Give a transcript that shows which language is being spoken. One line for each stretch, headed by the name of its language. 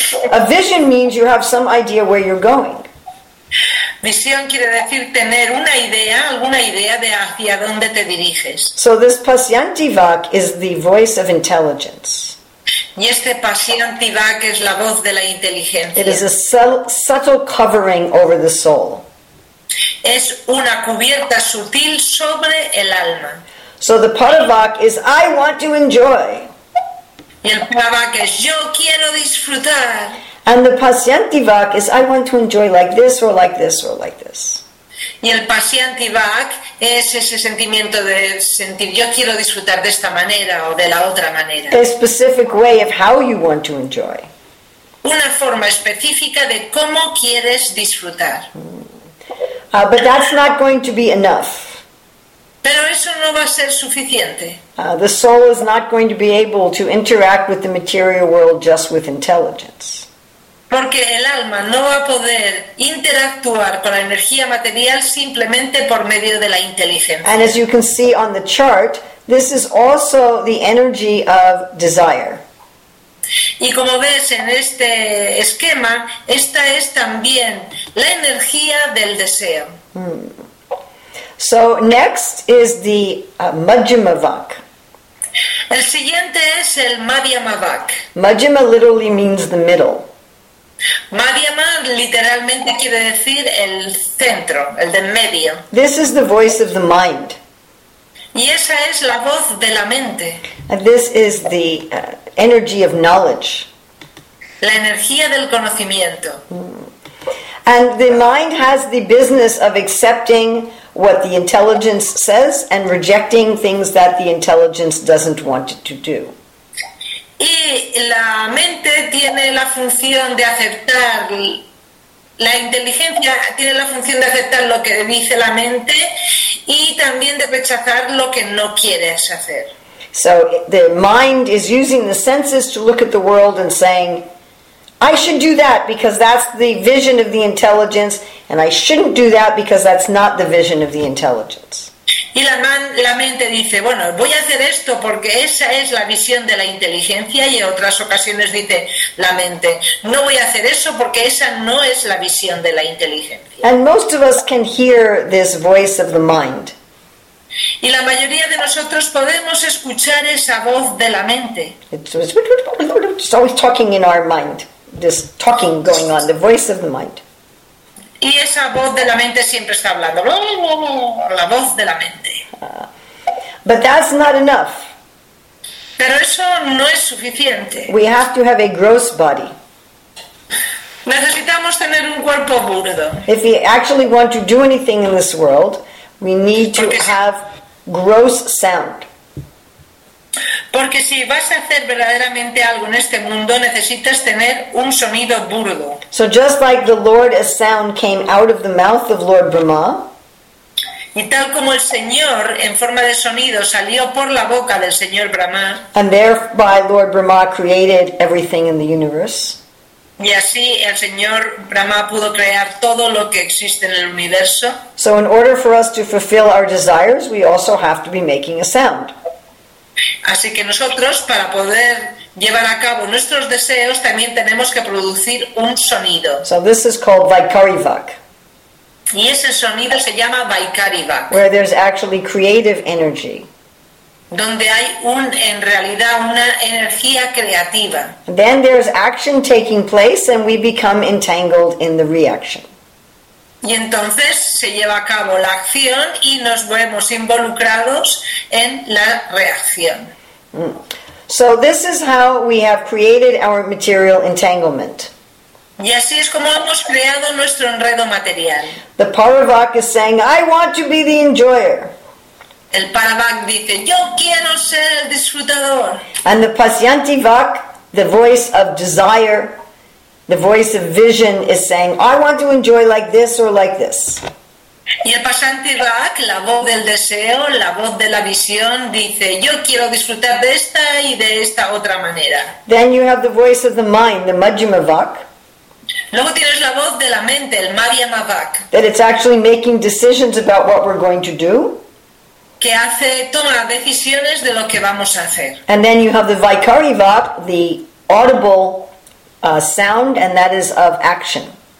English: A vision means you have some idea where you're going.
Spanish: Visión quiere decir tener una idea, alguna idea de hacia dónde te diriges.
English: So this Pasyantivak is the voice of intelligence.
Spanish: Y este Pasyantivak es la voz de la inteligencia.
English: It is a subtle covering over the soul.
Spanish: Es una cubierta sutil sobre el alma.
English: So the Paravak is, I want to enjoy.
Spanish: Y el Paravak es, yo quiero disfrutar.
English: And the Pasyantivak is, I want to enjoy like this, or like this, or like this.
Spanish: Y el paciente back es ese sentimiento de sentir yo quiero disfrutar de esta manera o de la otra manera.
English: A specific way of how you want to enjoy.
Spanish: Una forma específica de cómo quieres disfrutar.
English: But that's not going to be enough.
Spanish: Pero eso no va a ser suficiente.
English: The soul is not going to be able to interact with the material world just with intelligence.
Spanish: Porque el alma no va a poder interactuar con la energía material simplemente por medio de la inteligencia.
English: And as you can see on the chart, this is also the energy of desire.
Spanish: Y como ves en este esquema, esta es también la energía del deseo.
English: So next is the Majjhima Vak.
Spanish: El siguiente es el Madhyama Vak.
English: Majjhima literally means the middle.
Spanish: Madhyama literalmente quiere decir el centro, el de medio.
English: This is the voice of the mind.
Spanish: Y esa es la voz de la mente.
English: And this is the energy of knowledge.
Spanish: La energía del conocimiento.
English: And the mind has the business of accepting what the intelligence says and rejecting things that the intelligence doesn't want it to do.
Spanish: Y la mente tiene la función de aceptar, la inteligencia tiene la función de aceptar lo que dice la mente y también de rechazar lo que no quieres hacer.
English: So the mind is using the senses to look at the world and saying, I should do that because that's the vision of the intelligence, and I shouldn't do that because that's not the vision of the intelligence.
Spanish: Y la mente dice, bueno, voy a hacer esto porque esa es la visión de la inteligencia, y en otras ocasiones dice la mente, no voy a hacer eso porque esa no es la visión de la inteligencia.
English: And most of us can hear this voice of the mind.
Spanish: Y la mayoría de nosotros podemos escuchar esa voz de la mente.
English: It's always talking in our mind, this talking going on, the voice of the mind.
Spanish: Y esa voz de la mente siempre está hablando, la voz de la mente.
English: But that's not enough.
Spanish: Pero eso no es suficiente.
English: We have to have a gross body.
Spanish: Necesitamos tener un cuerpo burdo.
English: If we actually want to do anything in this world, we need to have gross sound.
Spanish: Porque si vas a hacer verdaderamente algo en este mundo, necesitas tener un sonido burdo.
English: So just like the Lord as sound came out of the mouth of Lord Brahma,
Spanish: y tal como el Señor en forma de sonido salió por la boca del Señor Brahma,
English: and thereby Lord Brahma created everything in the universe,
Spanish: y así el Señor Brahma pudo crear todo lo que existe en el universo.
English: So in order for us to fulfill our desires, we also have to be making a sound.
Spanish: Así que nosotros, para poder llevar a cabo nuestros deseos, también tenemos que producir un sonido.
English: So this is called Vaikari Vak.
Spanish: Y ese sonido se llama Vaikari Vak.
English: Where there's actually creative energy.
Spanish: Donde hay en realidad una energía creativa.
English: Then there's action taking place and we become entangled in the reaction.
Spanish: Y entonces se lleva a cabo la acción y nos vemos involucrados en la reacción.
English: So this is how we have created our material entanglement.
Spanish: Y así es como hemos creado nuestro enredo material.
English: The Paravak is saying, I want to be the enjoyer.
Spanish: El Paravak dice, yo quiero ser el disfrutador.
English: And the Pasyantivak, the voice of desire, the voice of vision is saying, I want to enjoy like this or like this.
Spanish: Y el pasante Vak, la voz del deseo, la voz de la visión, dice, yo quiero disfrutar de esta y de esta otra manera.
English: Then you have the voice of the mind, the Majjhima Vak.
Spanish: Luego tienes la voz de la mente, el Madhyama Vak.
English: That it's actually making decisions about what we're going to do.
Spanish: Que hace, toma decisiones de lo que vamos a hacer.
English: And then you have the Vaikari Vak, the audible sound, and that is of action.